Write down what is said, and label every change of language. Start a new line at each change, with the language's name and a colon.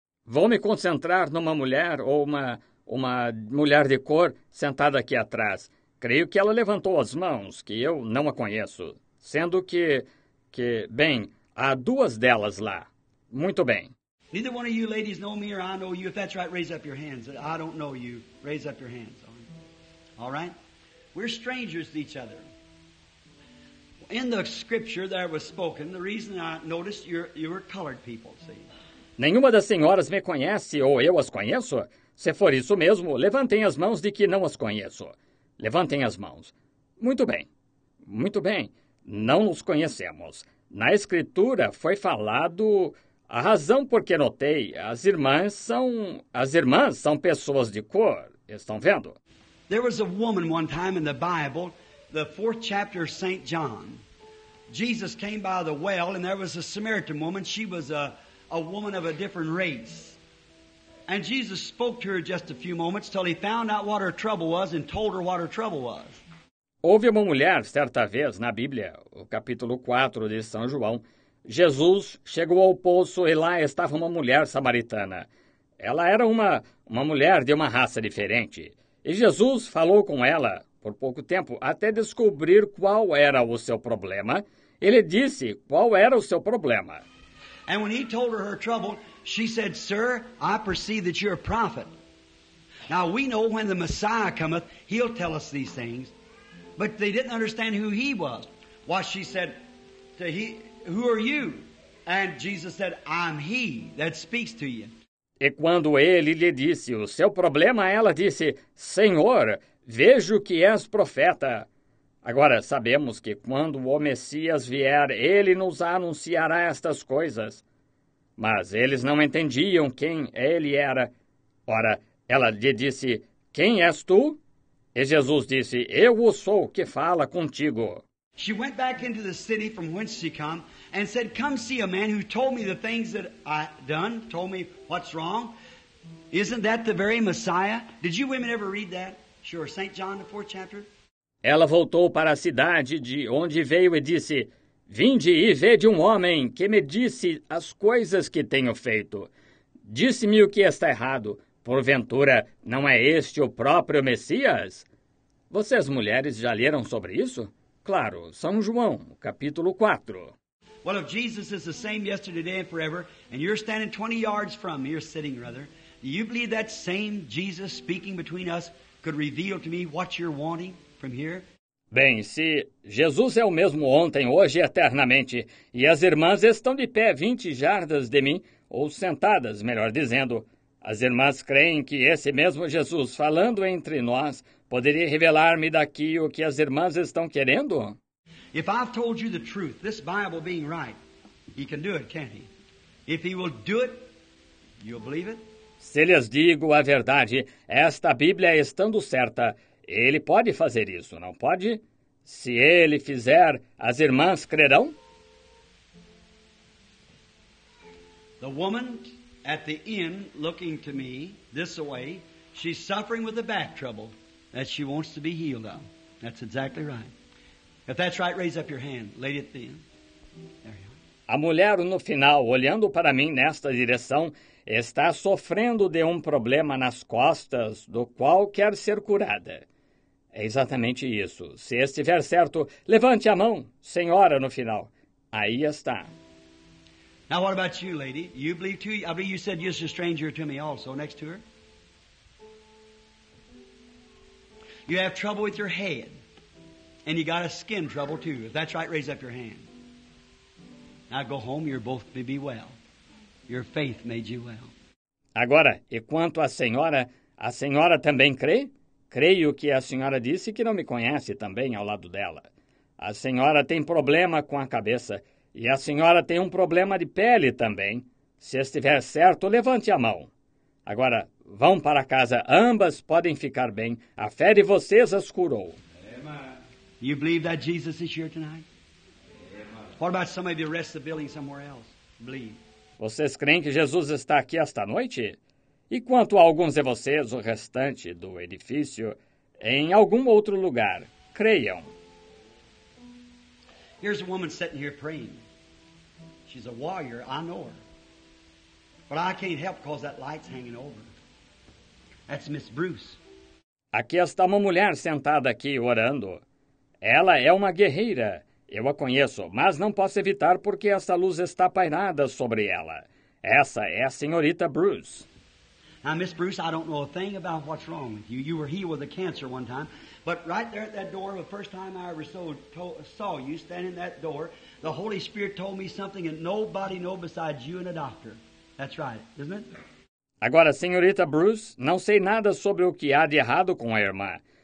Portuguese: Vou me concentrar numa mulher ou uma mulher de cor sentada aqui atrás. Creio que ela levantou as mãos, que eu não a conheço. Sendo que bem, há duas delas lá. Muito bem.
English: Neither one of you ladies know me or I know you. If that's right, raise up your hands. I don't know you. Raise up your hands. All right? We're strangers to each other. In the scripture that was spoken, the reason I noticed you were colored people, see?
Portuguese: Nenhuma das senhoras me conhece ou eu as conheço? Se for isso mesmo, levantem as mãos de que não as conheço. Levantem as mãos. Muito bem. Muito bem. Não nos conhecemos. Na escritura foi falado... A razão porque notei, as irmãs são pessoas de cor, estão vendo?
English: There was a woman one time in the Bible, the fourth chapter of St. John. Jesus came by the well and there was a Samaritan woman. She was a woman of a different race. And Jesus spoke to her just a few moments till he found out what her trouble was and told her what her trouble was.
Portuguese: Houve uma mulher certa vez na Bíblia, o capítulo 4 de São João. Jesus chegou ao poço e lá estava uma mulher samaritana. Ela era uma mulher de uma raça diferente. E Jesus falou com ela por pouco tempo até descobrir qual era o seu problema. Ele disse qual era o seu problema.
English: And when he told her trouble, she said, "Sir, I perceive that you're a prophet. Now we know when the Messiah cometh, he'll tell us these things." But they didn't understand who he was. Why, she said to he Who are you? And Jesus said, I'm he that speaks to you.
Portuguese: E quando ele lhe disse o seu problema, ela disse, Senhor, vejo que és profeta. Agora, sabemos que quando o Messias vier, ele nos anunciará estas coisas. Mas eles não entendiam quem ele era. Ora, ela lhe disse, quem és tu? E Jesus disse, eu o sou que fala contigo.
English: She went back into the city from whence she came and said, come see a man who told me the things that I done, told me what's wrong. Isn't that the very Messiah? Did you women ever read that? Sure, St. John, the fourth chapter.
Portuguese: Ela voltou para a cidade de onde veio e disse, vinde e vede um homem que me disse as coisas que tenho feito. Disse-me o que está errado. Porventura, não é este o próprio Messias? Vocês, mulheres, já leram sobre isso? Claro, São João, capítulo 4.
English: Well, if Jesus is the same yesterday, today, and forever, and you're standing 20 yards from me, you're sitting, rather, do you believe that same Jesus speaking between us could reveal to me what you're wanting from here?
Portuguese: Bem, se Jesus é o mesmo ontem, hoje e eternamente, e as irmãs estão de pé 20 jardas de mim, ou sentadas, melhor dizendo, as irmãs creem que esse mesmo Jesus falando entre nós poderia revelar-me daqui o que as irmãs estão querendo?
English: If I've told you the truth, this Bible being right, he can do it, can't he? If he will do it, you'll believe it?
Portuguese: Se lhes digo a verdade, esta Bíblia estando certa, ele pode fazer isso, não pode? Se ele fizer, as irmãs crerão?
English: The woman at the inn looking to me this way, she's suffering with a back trouble that she wants to be healed of. That's exactly right. If that's right, raise up your hand. Lady at the inn. There you are.
Portuguese: A mulher no final, olhando para mim nesta direção, está sofrendo de um problema nas costas do qual quer ser curada. É exatamente isso. Se estiver certo, levante a mão, senhora, no final. Aí está.
English: Now, what about you, lady? You believe too? I believe you said you're a stranger to me also, next to her. You have trouble with your head. And you got a skin trouble too. If that's right, raise up your hand. Now go home, you're both to be well. Your faith made you well.
Portuguese: Agora, e quanto à senhora também crê? Creio que a senhora disse que não me conhece também ao lado dela. A senhora tem problema com a cabeça e a senhora tem um problema de pele também. Se estiver certo, levante a mão. Agora, vão para casa. Ambas podem ficar bem. A fé de vocês as curou.
English: Amen. You believe that Jesus is here tonight? Amen. What about somebody who rests the building somewhere else? Believe.
Portuguese: Vocês creem que Jesus está aqui esta noite? E quanto a alguns de vocês, o restante do edifício, em algum outro lugar, creiam.
English: Here's a woman sitting here praying. She's a warrior, I know her. But I can't help because that light's hanging over. That's Miss Bruce.
Portuguese: Aqui está uma mulher sentada aqui orando. Ela é uma guerreira. Eu a conheço, mas não posso evitar porque essa luz está pairada sobre ela. Essa é a senhorita Bruce.
English: Now, Miss Bruce, I don't know a thing about what's wrong with you. You were healed with a cancer one time. But right there at that door, the first time I ever saw you standing in that door, the Holy Spirit told me something that nobody knows besides you and a doctor. That's right, isn't it?
Portuguese: Agora, senhorita Bruce, não sei nada sobre o que há de errado com a irmã.